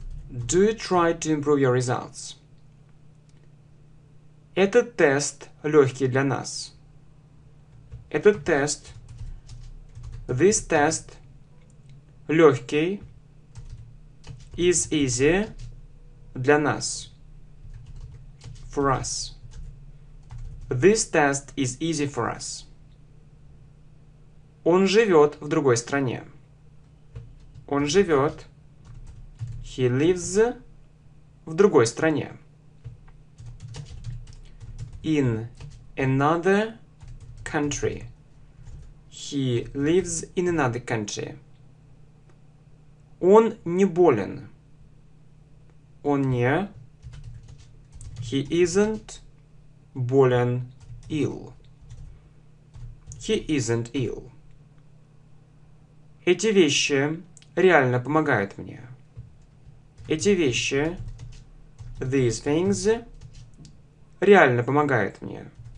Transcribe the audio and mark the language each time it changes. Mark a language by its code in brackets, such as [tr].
[en] Do try to improve your results. [ru] Этот тест легкий для нас. Этот тест. [en] This test [ru] легкий. [en] Is easy [ru] для нас. [en] For us. This test is easy for us. [ru] Он живет в другой стране. Он живет. [en] He lives [ru] в другой стране. [en] In another country. He lives in another country. [ru] Он не болен. Он не. [en] He isn't [ru] болен [en] ill. He isn't ill. [ru] Эти вещи реально помогают мне. Эти вещи, [en] these things, [ru] реально помогают мне.